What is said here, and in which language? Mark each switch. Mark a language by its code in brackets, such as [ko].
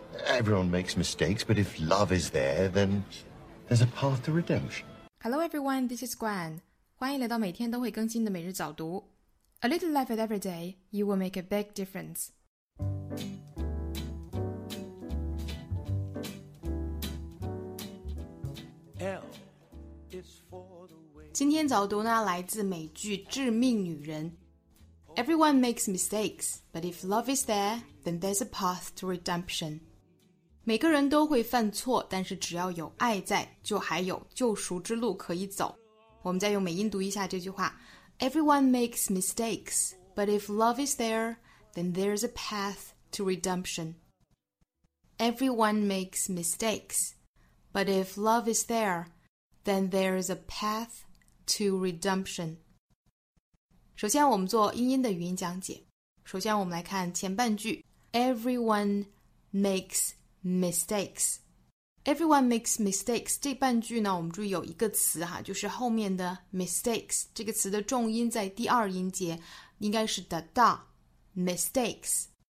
[en] Everyone makes mistakes, but if love is there, then there's a path to redemption. Hello everyone, this is Gwen. [zh] 欢迎来到每天都会更新的每日早读。 [en] A little love at every day, you will make a big difference. L is for the way. [zh] 今天早读呢来自美剧《致命女人》。 [en] Everyone makes mistakes, but if love is there, then there's a path to redemption. [zh] 每个人都会犯错，但是只要有爱在，就还有救赎之路可以走。我们再用美音读一下这句话。 [en] Everyone makes mistakes, but if love is there, then there's a path to redemption. Everyone makes mistakes, but if love is there, then there's a path to redemption. [zh] 首先我们做英音的语音讲解。首先我们来看前半句。 [en] Everyone makes mistakes. [zh] Everyone makes mistakes. 这半句呢我们注意有一个词哈，就是后面的 mistakes。这个词的重音在第二音节，应该是的大 mistakes。